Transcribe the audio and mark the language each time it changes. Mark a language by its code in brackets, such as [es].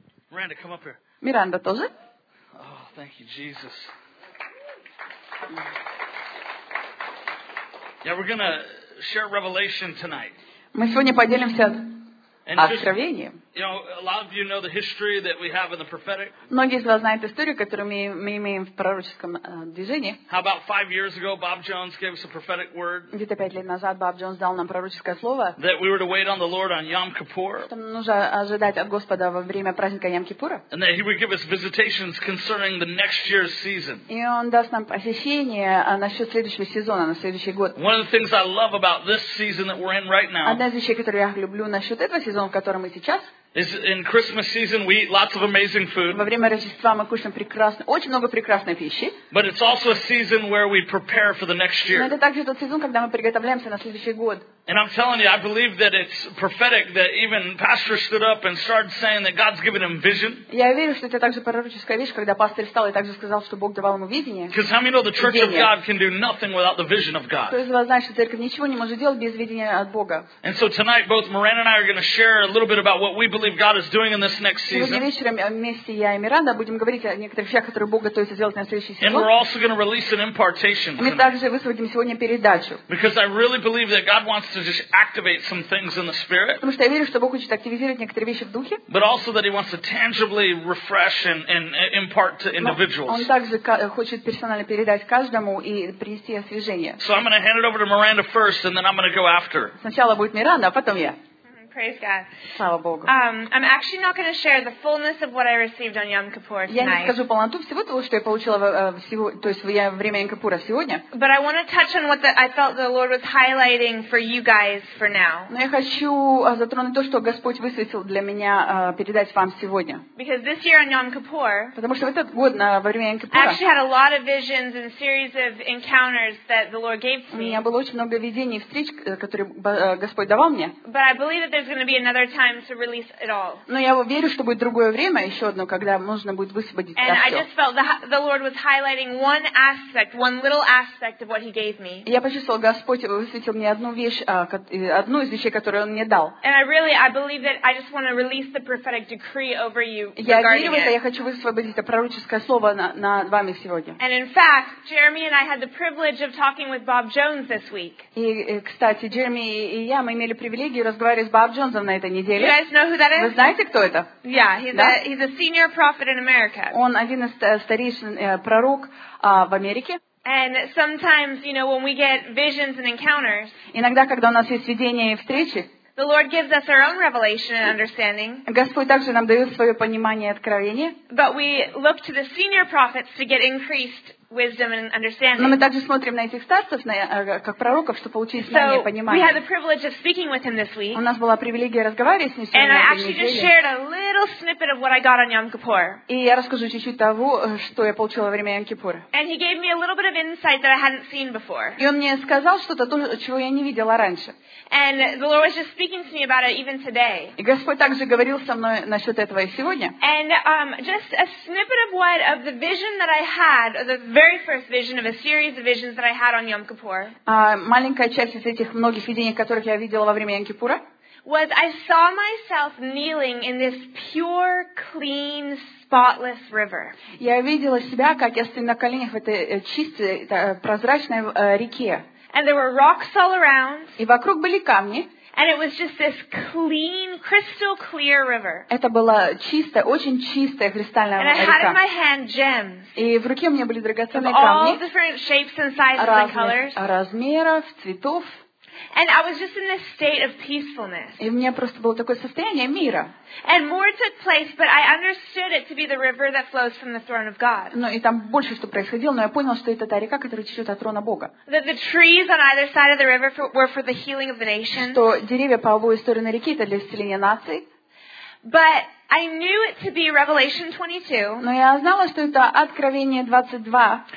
[en] Miranda, come up here. [ru] Miranda, тоже. [en] Oh, thank you, Jesus. Yeah, we're gonna share Revelation tonight. [ru] Мы сегодня поделимся откровением. [en] You know, a lot of you know the history that we have in the prophetic. [ru] Многие из вас знают историю, которую мы имеем в пророческом движении. [en] How about 5 years ago, Bob Jones gave us a prophetic word. [ru] Где-то 5 лет назад Боб Джонс дал нам пророческое слово. [en] That we were to wait on the Lord on Yom Kippur. [ru] Что нам нужно ожидать от Господа во время праздника Йом-Кипура. [en] And that He would give us visitations concerning the next year's season. [ru] И Он даст нам посещение насчет следующего сезона, на следующий год. [en] One of the things I love about this season that we're in right now. [ru] Одна из вещей, которую я люблю насчет этого сезона, в котором мы сейчас. [en] Is in Christmas season we eat lots of amazing food. [ru] Во время Рождества мы кушаем очень много прекрасной пищи. [en] But it's also a season where we prepare for the next year. [ru] Это также тот сезон, когда мы приготовляемся на следующий год. [en] And I'm telling you, I believe that it's prophetic that even pastor stood up and started saying that God's given him vision. [ru] Я верю, что это также пророческая вещь, когда пастор встал и также сказал, что Бог давал ему видение. [en] Because how many know the Church of God can do nothing without the vision of God? [ru] Кто из вас знает, что церковь ничего не может делать без видения от Бога? [en] And so tonight, both Miranda and I are going to share a little bit about what we believe God is doing in this next season. [ru] Сегодня вечером вместе я и Миранда будем говорить о некоторых вещах, которые Бог готовится сделать на следующий сезон. [en] And we're also going to release an impartation. [ru] Мы также высвободим сегодня передачу. [en] Because I really believe that God wants to just activate some things in the spirit. [ru] Потому что я верю, что Бог хочет активизировать некоторые вещи в духе. [en] But also that He wants to tangibly refresh and impart to individuals. [ru] Он также хочет персонально передать каждому и принести освежение. [en] So I'm going to hand it over to Miranda first, and then I'm going to go after. [ru] Сначала будет Миранда, а потом я. [en] Praise God. I'm actually not going to share the fullness of what I received on Yom Kippur tonight. [ru] Я не скажу полноту всего того, что я получила во время Йом Кипура сегодня. [en] But I want to touch on what I felt the Lord was highlighting for you guys for now. [ru] Но я хочу затронуть то, что Господь высветил для меня передать вам сегодня. [en] Because this year on Yom Kippur. [ru] Потому что в этот год во время Йом Кипура. [en] I actually had a lot of visions and series of encounters that the Lord gave to me. [ru] У меня было очень много видений и встреч, которые Господь давал мне. [en] But I believe that there's going to be another time to release it all. [ru] Но я верю, что будет другое время, еще одно, когда можно будет высвободить это все. [en] And I just felt the Lord was highlighting one little aspect of what He gave me. [ru] Я почувствовала, Господь высветил мне одну вещь, одну из вещей, которую Он мне дал. [en] And I believe that I just want to release the prophetic decree over you regarding it. [ru] Я верю в это, я хочу высвободить это пророческое слово над вами сегодня. [en] And in fact, Jeremy and I had the privilege of talking with Bob Jones this week. [ru] И, кстати, Джереми и я, мы имели привилегию разговаривать с Боб Джонсом на этой неделе. [en] You guys know who that is? [ru] Вы знаете, кто это? [en] Yeah, he's a senior prophet in America. [ru] Он один из старейшин пророк в Америке. [en] And sometimes, you know, when we get visions and encounters, [ru] иногда, когда у нас есть видения и встречи, [en] the Lord gives us our own revelation and understanding. [ru] Господь также нам дает свое понимание и откровение. [en] But we look to the senior prophets to get increased wisdom and understanding. [ru] Но мы также смотрим на этих старцев, как пророков, чтобы получить знание и понимание. [en] We had the privilege of speaking with him this week. [ru] У нас была привилегия разговаривать с ним сегодня. [en] And I actually just shared a little snippet of what I got on Yom Kippur. [ru] И я расскажу чуть-чуть того, что я получила во время Йом Кипура. [en] And he gave me a little bit of insight that I hadn't seen before. [ru] И он мне сказал что-то, чего я не видела раньше. [en] And the Lord was just speaking to me about it even today. [ru] И Господь также говорил со мной насчет этого и сегодня. [en] And just a snippet of what of the vision that I had, the very first vision of a series of visions that I had on Yom Kippur. [ru] Маленькая часть из этих многих видений, которых я видела во время Йом Кипура. [en] Was I saw myself kneeling in this pure, clean, spotless river. [ru] Я видела себя, как я стою на коленях в этой чистой, прозрачной реке. [en] And there were rocks all around. [ru] И вокруг были камни. [en] And it was just this clean, crystal clear river. [ru] Это была чистая, очень чистая кристальная река. [en] And I had in my hand gems. [ru] И в руке у меня были драгоценные камни. [en] Of all different shapes and sizes and colors. [ru] Размеров, цветов. [en] And I was just in this state of peacefulness. [ru] И у меня просто было такое состояние мира. [en] And more took place, but I understood it to be the river that flows from the throne of God. [ru] Ну и там больше что происходило, но я понял, что это та река, которая течет от трона Бога. [en] That the trees on either side of the river were for the healing of the nations. [ru] Что деревья по обе стороны реки это для исцеления наций. [en] But I knew it to be Revelation 22. [ru] Но я знала, что это Откровение 22.